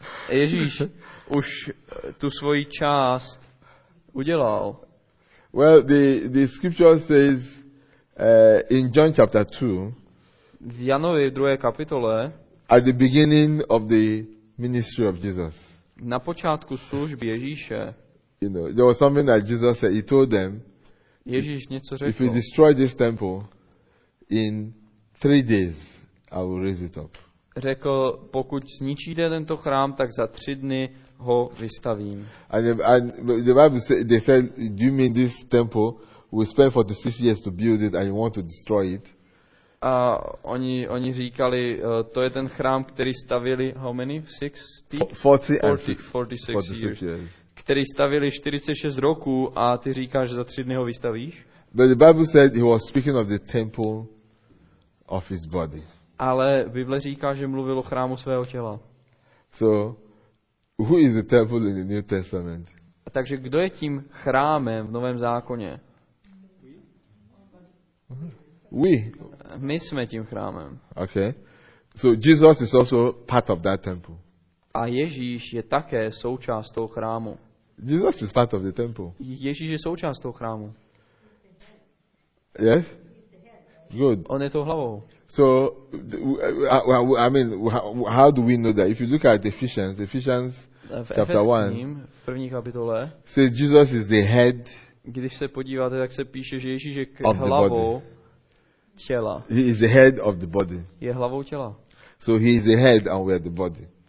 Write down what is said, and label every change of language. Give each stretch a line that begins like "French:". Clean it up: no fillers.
Czech: Ježíš už tu svoji část udělal.
English: Well, the scripture says in John chapter 2.
Czech: V Janově druhé kapitole.
English: At the beginning of the ministry of Jesus.
Czech: Na počátku služby Ježíše.
English: You know, there was something that Jesus said. He told them.
Czech: Ježíš něco řekl.
English: If you destroy this temple in 3 days, I will raise it up.
Czech: Řekl, pokud zničíte tento chrám, tak za 3 dny ho vystavím.
English: And the Bible said, they said, do you mean this temple? We spent 46 years to build it and you want to destroy it.
Czech: A oni říkali, to je ten chrám, který stavili,
English: how many? 46 years.
Czech: Který stavili 46 roků a ty říkáš, že za 3 dny ho vystavíš?
English: But the Bible said he was speaking of the temple of his body.
Czech: Ale Bible říká, že mluvil o chrámu svého těla.
English: So, who is the temple in the New Testament?
Czech: A takže kdo je tím chrámem v novém zákoně?
English: We.
Czech: My jsme tím chrámem.
English: Okay. So Jesus is also part of that temple.
Czech: A Ježíš je také součást toho chrámu.
English: Jesus is part of the temple.
Czech: Ježíš je součást toho chrámu.
English: Yes? Good.
Czech: On je tou hlavou.
English: So I mean how do we know that? If you look at Ephesians chapter 1,
Czech: v první kapitole,
English: says Jesus is the head.
Czech: Když se podíváte, tak se píše, že Ježíš je hlavou těla.
English: He is the head of the body.
Czech: Je hlavou těla.
English: So he is the head and we are the body.